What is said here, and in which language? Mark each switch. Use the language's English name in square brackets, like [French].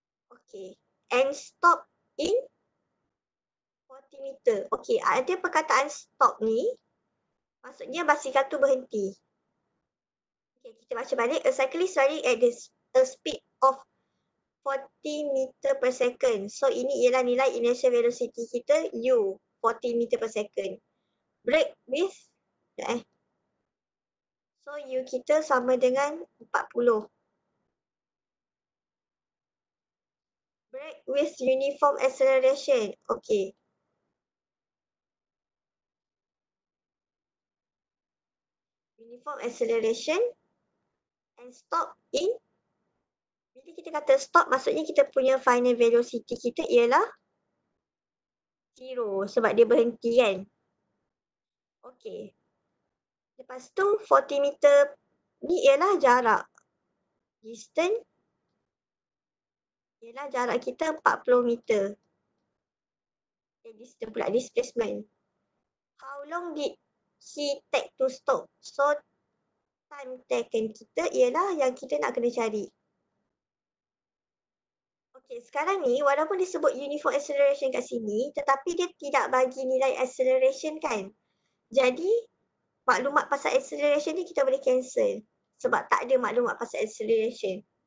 [English] Okay. And stop in 40 meter. Okay. [Malay] Ada perkataan stop ni. Maksudnya basikal tu berhenti. Okay. Kita baca balik. [English] A cyclist riding at a speed of 40 meter per second. [Malay] So ini ialah nilai initial velocity kita U. [English] 40 meter per second. Break with. [Malay] So U kita sama dengan 40. [English] Break with uniform acceleration. Okay. Uniform acceleration. And stop in. [Malay] Bila kita kata stop, maksudnya kita punya final velocity kita ialah 0 sebab dia berhenti kan. Okey. Lepas tu 40 meter ni ialah jarak. Distance ialah jarak kita 40 meter. [English] Okay, distance [Malay] pula [English] displacement. How long did he take to stop? [Malay] So time taken kita ialah yang kita nak kena cari. Okay, sekarang ni walaupun disebut uniform acceleration kat sini, tetapi dia tidak bagi nilai acceleration kan. Jadi maklumat pasal acceleration ni kita boleh cancel sebab tak ada maklumat pasal acceleration.